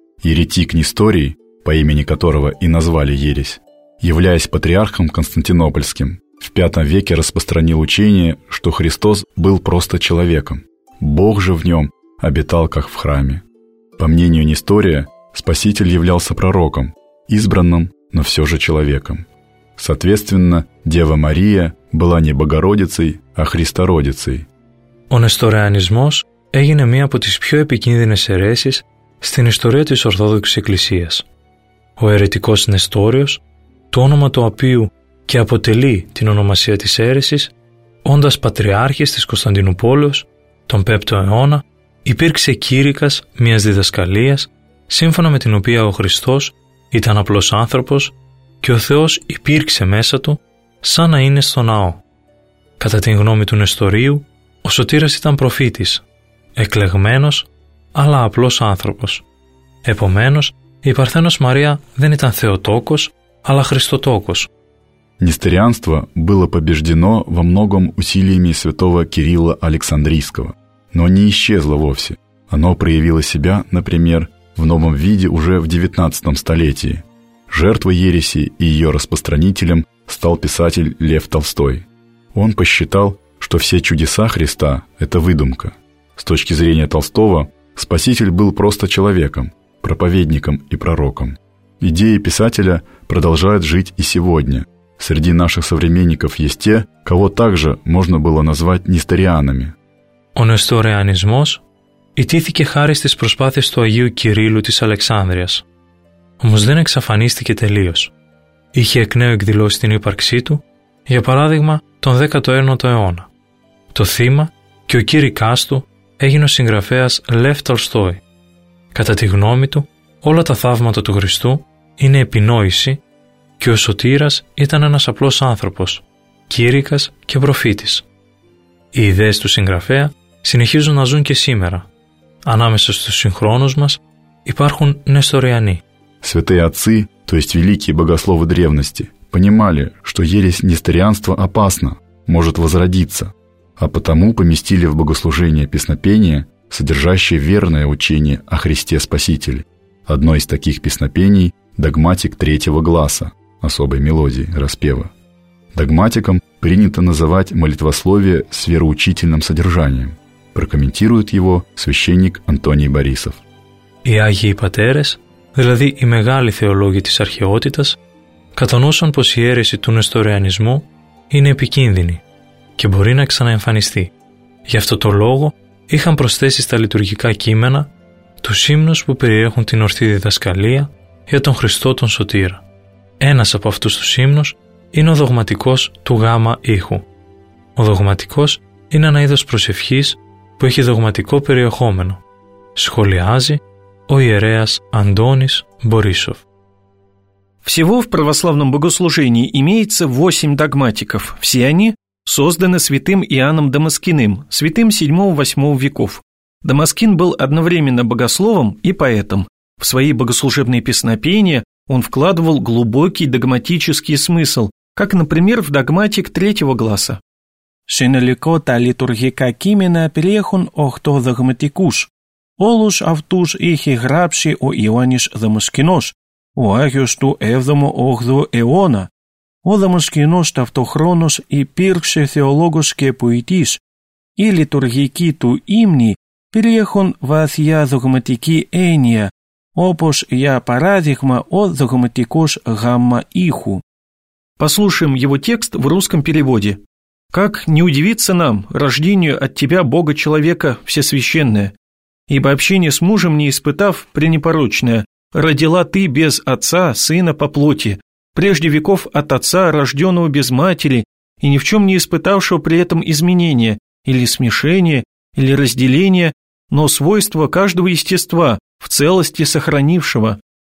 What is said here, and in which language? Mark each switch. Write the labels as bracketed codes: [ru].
[ru] Еретик Несторий, по имени которого и назвали ересь, являясь патриархом константинопольским, в V веке распространил учение, что Христос был просто человеком. Бог же в нем обитал, как в храме. По мнению Нестория, Спаситель являлся пророком, избранным, но все же человеком. Соответственно, Дева Мария была не Богородицей, а Христородицей. [el] Ο Νεστοριανισμός έγινε μία από τις πιο επικίνδυνες αιρέσεις στην ιστορία της Ορθόδοξης Εκκλησίας. Ο αιρετικός Νεστόριος, το όνομα του οποίου και αποτελεί την ονομασία της αίρεσης, όντας πατριάρχης της Κωνσταντινούπολης τον 5ο αιώνα, υπήρξε κήρυκας μιας διδασκαλίας, σύμφωνα με την οποία ο Χριστός ήταν απλός άνθρωπος και ο Θεός υπήρξε μέσα του σαν να είναι στο ναό. Κατά την γνώμη του Νεστορίου, ο Σωτήρας ήταν προφήτης, εκλεγμένος αλλά απλός άνθρωπος. Επομένως, η Παρθένος Μαρία δεν ήταν Θεοτόκος, αλλά Χριστοτόκος. [ru] Нестерианство было побеждено во многом усилиями святого Кирилла Александрийского, но не исчезло вовсе. Оно проявило себя, например, в новом виде уже в XIX столетии. Жертвой ереси и ее распространителем стал писатель Лев Толстой. Он посчитал, что все чудеса Христа – это выдумка. С точки зрения Толстого, Спаситель был просто человеком, проповедником и пророком. Идеи писателя продолжают жить и сегодня. Среди наших современников есть те, кого также можно было назвать несторианами. [el] Ο νεστοριανισμός ιτήθηκε χάρη στις προσπάθειες του Αγίου Κυρίλου της Αλεξάνδρειας. Όμως δεν εξαφανίστηκε τελείως. Είχε εκ νέου εκδηλώσει την ύπαρξή του, για παράδειγμα τον 19ο αιώνα. Το θύμα και ο κήρυκάς του έγινε ο συγγραφέας Λεύ Τολστόι. Κατά τη γνώμη του, όλα τα θαύματα του Χριστού είναι επινόηση και ο Σωτήρας ήταν ένας απλός άνθρωπος, κήρυκας και προφήτης. Οι ιδέες του συγγραφέα συνεχίζουν να ζουν και σήμερα. Ανάμεσα στους συγχρόνους μας υπάρχουν Νεστοριανοί. [ru] Святые отцы, то есть великие богословы древности, понимали, что ересь несторианства опасна, может возродиться, а потому поместили в богослужение песнопение, содержащее верное учение о Христе Спасителе. Одно из таких песнопений – догматик третьего гласа, особой мелодии, распева. Догматиком принято называть молитвословие с вероучительным содержанием. Прокомментирует его священник Антоний Борисов. [el] И Агии Патерес, δηλαδή οι μεγάλοι θεολόγοι της αρχαιότητας, κατανόησαν πως η αίρεση του νεστοριανισμού είναι επικίνδυνη και μπορεί να ξαναεμφανιστεί. Γι' αυτό το λόγο είχαν προσθέσει στα λειτουργικά κείμενα τους ύμνους που περιέχουν την ορθή διδασκαλία για τον Χριστό τον Σωτήρα. Ένας από αυτούς τους ύμνους είναι ο δογματικός του γάμα ήχου. Ο δογματικός είναι ένα είδος προσευχής που έχει δογματικό περιεχόμενο. Σχολιάζει ο ιερέας Αντώνης Μπορίσοβ. [ru] Всего в православном богослужении имеется 8 догматиков. Все они созданы святым Иоанном Дамаскиным, святым 7-8 веков. Дамаскин был одновременно богословом и поэтом. В свои богослужебные песнопения он вкладывал глубокий догматический смысл, как, например, в догматик третьего гласа. [el] «Синелико та литургика кимена перехун охто догматикуш, олус автуш ихи грабши о Иоаннис Дамаскинос, ο Άγιος του 7ου-8ου αιώνα. Ο Δαμασκηνός ταυτοχρόνως υπήρξε θεολόγος και ποιητής. Οι λειτουργικοί του ύμνοι περιέχουν βαθιά δογματική έννοια, όπως για παράδειγμα ο δογματικός γάμμα ήχου. [ru] Послушаем его текст в русском переводе. «Как не удивиться нам, рождению от Тебя, Бога Человека, Всесвященное, ибо общение с мужем не испытав пренепорочное, родила ты без отца, сына по плоти, прежде веков от отца, рожденного без матери, и ни в чем не испытавшего при этом изменения, или смешения, или разделения, но свойства каждого естества, в целости сохранившего.